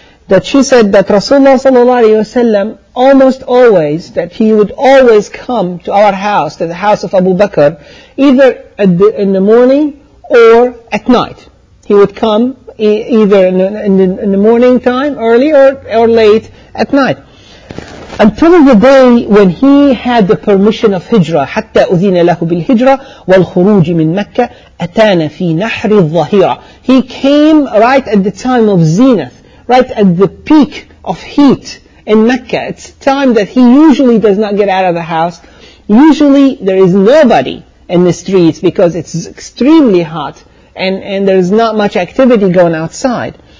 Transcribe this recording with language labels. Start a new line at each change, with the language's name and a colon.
English: That she said that Rasulullah sallallahu alayhi wa sallam almost always, that he would always come to our house, to the house of Abu Bakr, either in the morning or at night. He would come either in the morning time, early or late at night. Until the day when he had the permission of hijrah,
Arabic: حَتَّى أُذِينَ لَهُ بِالْهِجْرَةِ وَالْخُرُوجِ مِنْ مَكَّةِ أَتَانَ فِي نَحْرِ الظَّهِيرَةِ.
English: He came right at the time of zenith, right at the peak of heat in Mecca. It's a time that he usually does not get out of the house. Usually there is nobody in the streets because it's extremely hot and there is not much activity going outside.